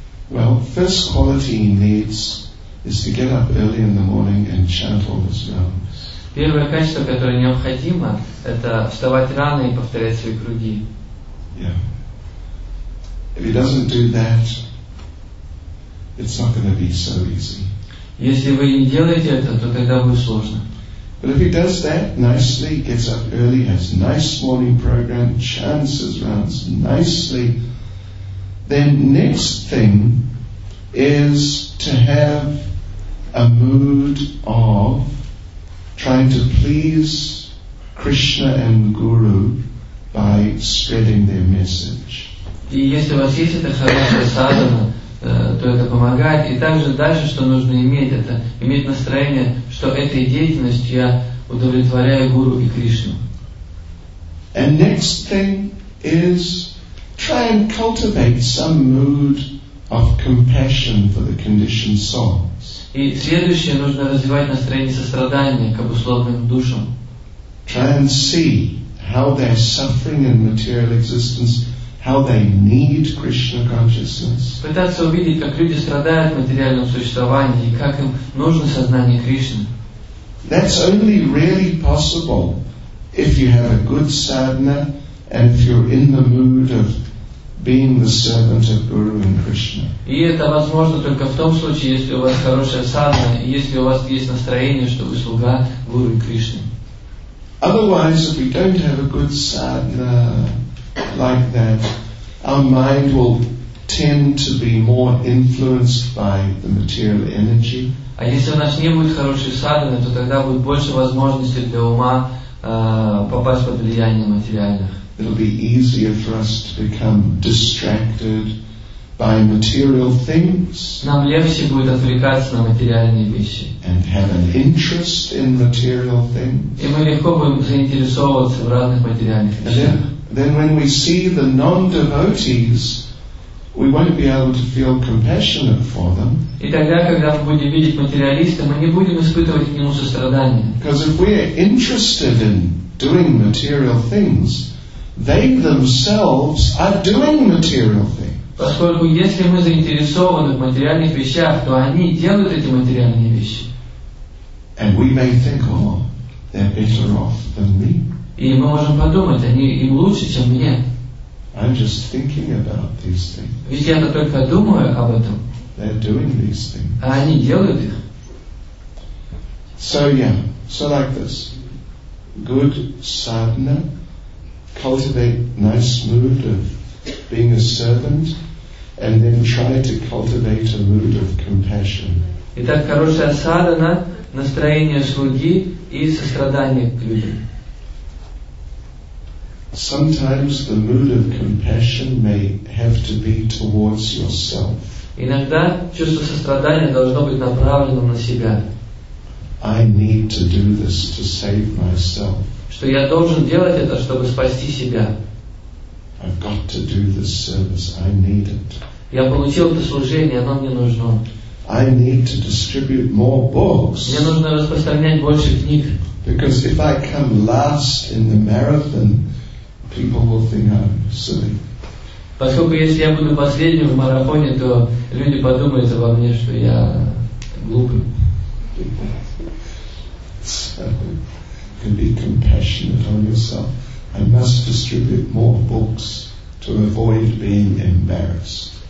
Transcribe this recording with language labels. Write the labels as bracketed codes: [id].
[en] Well, first quality he needs is to get up early in the morning and chant all his rounds. [ru] Первое качество, которое необходимо, это вставать рано и повторять свои круги. [en] Yeah. If he doesn't do that, it's not going to be so easy. [ru] Если вы не делаете это, то тогда будет сложно. [en] But if he does that nicely, gets up early, has nice morning program, chants his rounds nicely, then next thing is to have a mood of trying to please Krishna and Guru by spreading their message. [ru] И если у вас есть эта хорошая садхана, то это помогает. И также дальше, что нужно иметь, это иметь настроение, что этой деятельностью я удовлетворяю Гуру и Кришну. [en] And next thing is try and cultivate some mood of compassion for the conditioned soul. [ru] И следующее, нужно развивать настроение сострадания к обусловленным душам. [en] Try and see how they're suffering in material existence, how they need Krishna consciousness. [ru] Пытаться увидеть, как люди страдают в материальном существовании и как им нужно сознание Кришны. [en] That's only really possible if you have a good sadhana and if you're in the mood of being the servant of Guru and Krishna. [ru] И это возможно только в том случае, если у вас хорошая садхана, если у вас есть настроение, что вы слуга Гуру и Кришны. [en] Otherwise, if we don't have a good sadhana like that, our mind will tend to be more influenced by the material energy. [ru] А если у нас не будет хорошей садхана, то тогда будет больше возможностей для ума попасть под влияние материальных. [en] It'll be easier for us to become distracted by material things. [ru] Нам легче будет отвлекаться на материальные вещи. [en] And have an interest in material things. [ru] И мы легко будем заинтересовываться в разных материальных вещах. [en] Then when we see the non-devotees, we won't be able to feel compassionate for them. [ru] И тогда, когда мы будем видеть материалистов, мы не будем испытывать к нему сострадания. [en] Because if we are interested in doing material things, they themselves are doing material things. [ru] Поскольку если мы заинтересованы в материальных вещах, то они делают эти материальные вещи. [en] And we may think, oh, they're better off than me. [ru] И мы можем подумать, они им лучше, чем мне. [en] I'm just thinking about these things. [ru] Ведь я-то только думаю об этом. [en] They're doing these things. [ru] А они делают их. [en] So yeah, so like this. Good sadhana, cultivate nice mood of being a servant, and then try to cultivate a mood of compassion. [ru] Итак, хорошая садхана, настроение слуги и сострадание к людям. [en] Sometimes the mood of compassion may have to be towards yourself. [ru] Иногда чувство сострадания должно быть направлено на себя. [en] I need to do this to save myself. [ru] Что я должен делать это, чтобы спасти себя. [en] I've got to do this service. I need it. [ru] Я получил это служение, оно мне нужно. [en] I need to distribute more books. [ru] Мне нужно распространять больше книг. [en] Because if I come last in the marathon, people will think I'm silly. [ru] Поскольку если я буду последним в марафоне, то люди подумают обо мне, что я глупый. [en] So, can be compassionate on yourself. I must distribute more books to avoid being embarrassed.